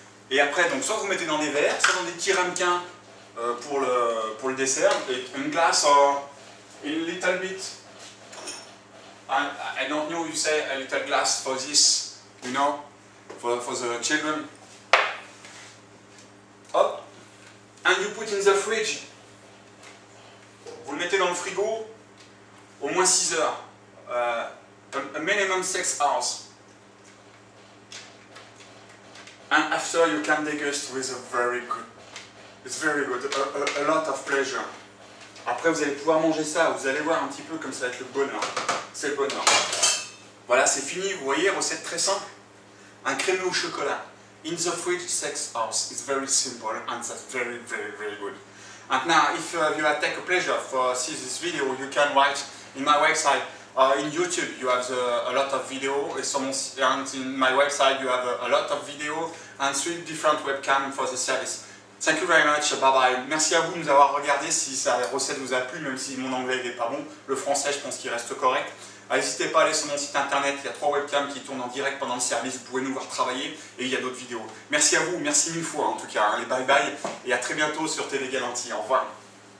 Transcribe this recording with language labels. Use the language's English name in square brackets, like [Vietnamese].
[French] Et après, donc, soit vous mettez dans des verres, soit dans des petits ramequins pour le dessert, et une glace [English] or a little bit. I don't know you say a little glass for this, you know, for the children. Hop, and you put in the fridge. [French] Vous le mettez dans le frigo au moins 6 heures, [English] a minimum 6 hours. And after you can digest with a very good, it's very good, a lot of pleasure. [French] Après vous allez pouvoir manger ça, vous allez voir un petit peu comme ça va être le bonheur. C'est le bonheur. Voilà, c'est fini, vous voyez, recette très simple. Un crémeux au chocolat. [English] In the fridge, 6 hours. It's very simple and that's very, very, very good. And now, if you have taken pleasure for see this video, you can write in my website. In YouTube, you have a lot of videos, and in my website, you have a lot of videos and 3 different webcams for the service. Thank you very much, bye bye. [French] Merci à vous de nous avoir regardé. Si sa recette vous a plu, même si mon anglais n'est pas bon, le français, je pense qu'il reste correct. N'hésitez pas à aller sur mon site internet, il y a 3 webcams qui tournent en direct pendant le service, vous pouvez nous voir travailler, et il y a d'autres vidéos. Merci à vous, merci 1000 fois en tout cas, allez, bye bye, et à très bientôt sur TV Galanti, au revoir.